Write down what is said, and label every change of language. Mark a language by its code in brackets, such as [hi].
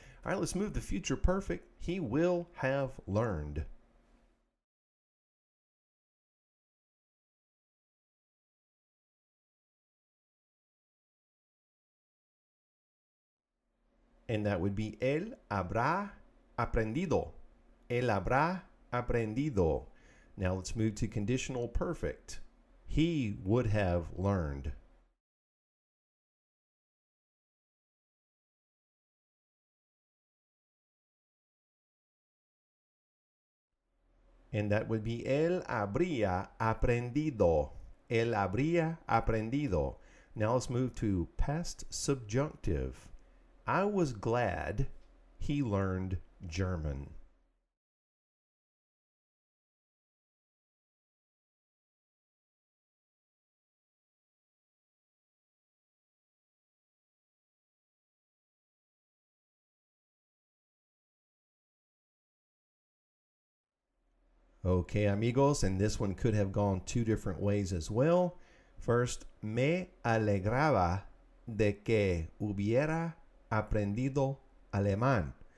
[en] All right, let's move the future perfect. He will have learned. And that would be él habrá aprendido. [es] Él habrá aprendido. [en] Now let's move to conditional perfect. He would have learned. And that would be él habría aprendido. [es] Él habría aprendido. [en] Now let's move to past subjunctive. I was glad he learned German. Okay, amigos, and this one could have gone two different ways as well. [es] First, me alegraba de que hubiera aprendido alemán.